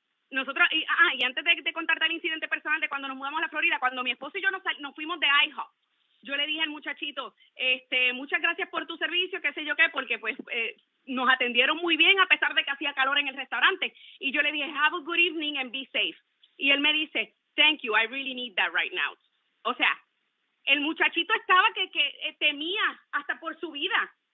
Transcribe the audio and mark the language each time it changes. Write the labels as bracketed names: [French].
[Spanish] Y antes de contarte el incidente personal de cuando nos mudamos a la Florida, cuando mi esposo y yo nos fuimos de IHOP, yo le dije al muchachito, muchas gracias por tu servicio, qué sé yo qué, porque nos atendieron muy bien a pesar de que hacía calor en el restaurante, y yo le dije, have a good evening and be safe. [English] Y él me dice, thank you, I really need that right now. [Spanish] O sea, el muchachito estaba que temía hasta por su vida.